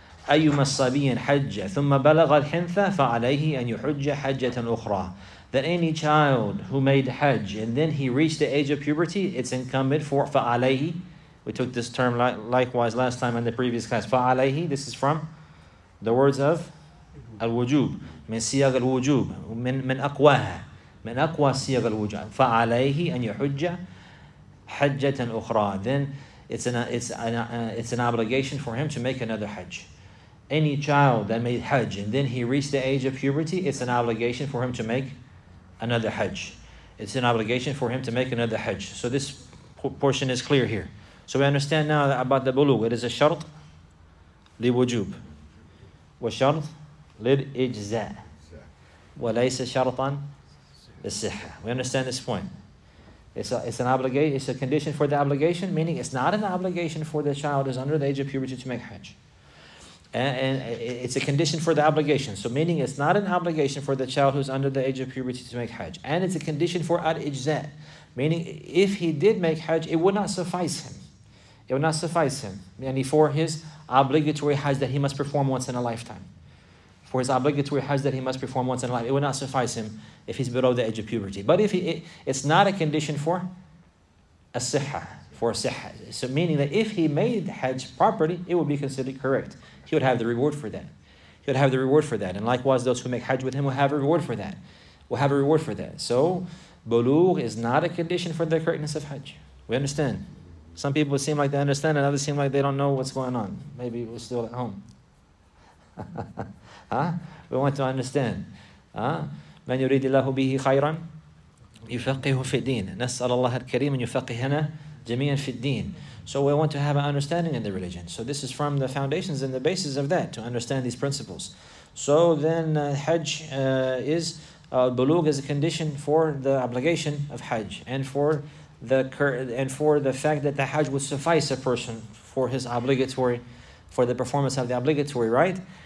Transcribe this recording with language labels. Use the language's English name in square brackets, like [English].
[Arabic] أيما الصبي حج ثم بلغ الحنثة فعليه أن يحج حجة أخرى. [English] That any child who made Hajj and then he reached the age of puberty, it's incumbent for فعليه. We took this term likewise last time in the previous class. فعليه, this is from the words of الوجوب. [Arabic] من سياق الوجوب. من أقواها. من أقوى سياق الوجوب. فعليه أن يحج حَجَّةً أُخْرَى. [English] Then it's an obligation for him to make another hajj. Any child that made hajj and then he reached the age of puberty, it's an obligation for him to make another hajj. It's an obligation for him to make another hajj. So this portion is clear here. So we understand now about the bulugh. It is a shart [Arabic] لِوُجُوب وَشَرْط لِلْإِجْزَاء وَلَيْسَ شَرْطًا لِلْصِحَّةِ. [English] We understand this point. It's a condition for the obligation, meaning it's not an obligation for the child who's under the age of puberty to make hajj. And it's a condition for the obligation. So meaning it's not an obligation for the child who's under the age of puberty to make hajj. And it's a condition for al-ijza, meaning if he did make hajj, it would not suffice him. It would not suffice him. And for his obligatory hajj that he must perform once in a lifetime. For his obligatory hajj that he must perform once in a life, it would not suffice him if he's below the age of puberty. But if it's not a condition for a siha. So meaning that if he made hajj properly, it would be considered correct. He would have the reward for that. He would have the reward for that. And likewise, those who make hajj with him will have a reward for that. So bulugh is not a condition for the correctness of hajj. We understand. Some people seem like they understand, and others seem like they don't know what's going on. Maybe we're still at home. We want to understand. [Arabic] من يريد الله به خيرا يفقه في الدين. نسأل الله الكريم أن يفقهنا جميعا في الدين. [English] So we want to have an understanding in the religion. So this is from the foundations and the basis of that, to understand these principles. So then Hajj is, bulugh is a condition for the obligation of Hajj and for the fact that the Hajj would suffice a person for his obligatory, for the performance of the obligatory, right?